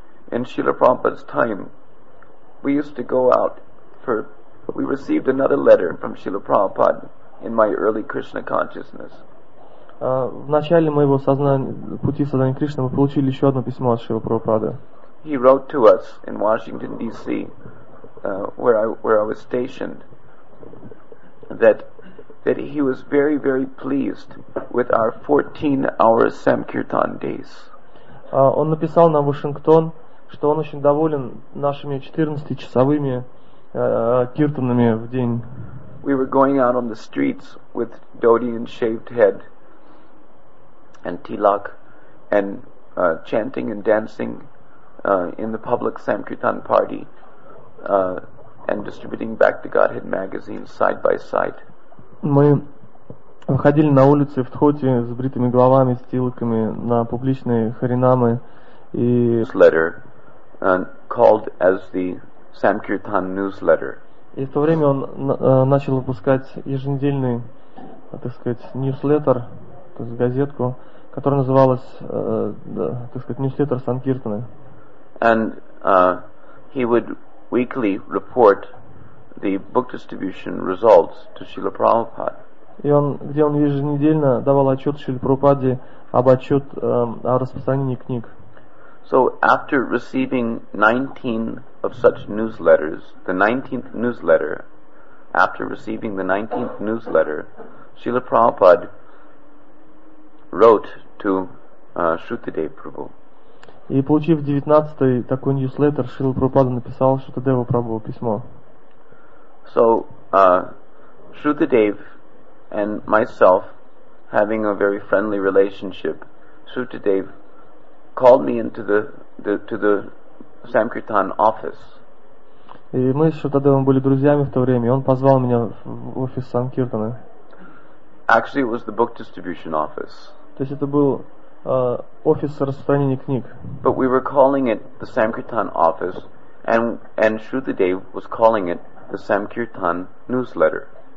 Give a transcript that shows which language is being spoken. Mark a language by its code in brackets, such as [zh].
[en] In Srila Prabhupada's time, we used to go out for... We received another letter from Srila Prabhupada in my early Krishna consciousness. [ru] В начале моего сознания, пути сознания Кришны, мы получили еще одно письмо от Шрила Прабхупады. [en] He wrote to us in Washington, D.C., where I was stationed, that he was very, very pleased with our 14-hour Samkirtan days. [ru] Он написал нам в Вашингтон, что он очень доволен нашими 14-часовыми киртанами в день. [en] We were going out on the streets with dhoti and shaved head and tilak and chanting and dancing in the public Samkirtan party and distributing Back to Godhead magazines side by side. [ru] Мы выходили на улицы в дхоти с бритыми головами, с тилаками, на публичные харинамы и... [en] This letter, called as the Samkirtan newsletter. [ru] И в то время он начал выпускать еженедельный, так сказать, newsletter, то есть газетку, которая называлась, так сказать, newsletter Sankirtana. [en] And he would weekly report the book distribution results to Srila Prabhupada. [ru] И он, где он еженедельно давал отчет Шриле Прабхупаде об отчет о распространении книг. [en] So after receiving 19 of such newsletters, the 19th newsletter, after receiving the 19th newsletter, Srila Prabhupada wrote to Shrutadeva Prabhu. [ru] И получив 19-й такой newsletter, Шрила Прабхупада написал Шрутадеву Прабху письмо. [en] So, Shrutadeva and myself having a very friendly relationship, Shrutadeva called me into to the Samkirtan office. [ru] И мы с Шрутадевом были друзьями в то время, и он позвал меня в офис Санкиртаны. [en] Actually, it was the book distribution office. [ru] То есть это был офис распространения книг. [en] But we were calling it the Samkirtan office, and Shrutadeva was calling it the Samkirtan newsletter.